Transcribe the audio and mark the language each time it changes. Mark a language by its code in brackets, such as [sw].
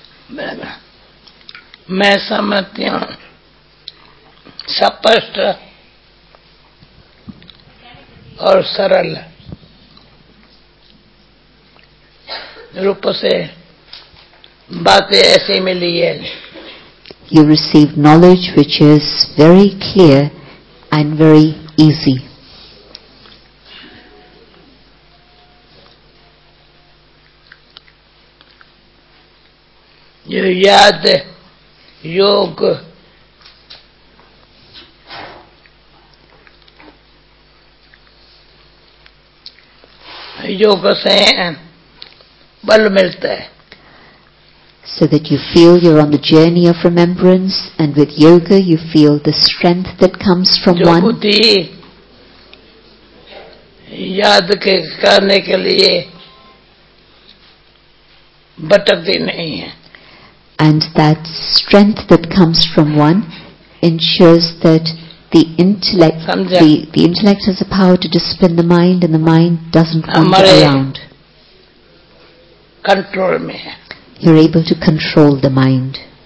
[hi] मैं समझती हूँ स्पष्ट और सरल रूप से बातें ऐसे मिली हैं। [en] You receive knowledge which is very clear and very easy. [hi] ये याद योग योग से बल मिलता है। [en] So that you feel you're on the journey of remembrance, and with yoga you feel the strength that comes from one. [hi] जो बुद्धि याद के करने के लिए भटकती नहीं है। [en] And that strength that comes from one ensures that the intellect has the power to discipline the mind, and the mind doesn't wander around. Control me. You're able to control the mind.